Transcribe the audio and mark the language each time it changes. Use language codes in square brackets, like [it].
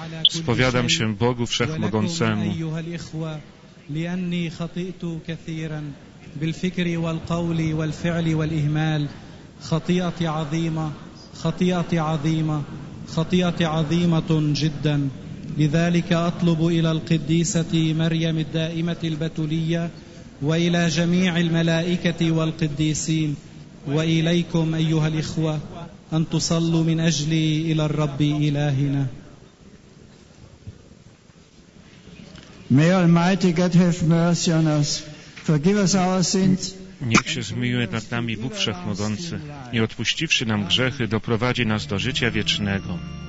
[pl] Spowiadam się Bogu Wszechmogącemu. [ar] لذلك أطلب إلى القديسة مريم الدائمة البتولية وإلى جميع الملائكة والقديسين وإليكم أيها الإخوة أن تصلوا من أجلي إلى الرب إلهنا. [en] May Almighty God have mercy on us, forgive us our sins. [pl] Niech się zmiłuje nad nami Bóg Wszechmogący i odpuściwszy nam grzechy, doprowadzi nas do życia wiecznego.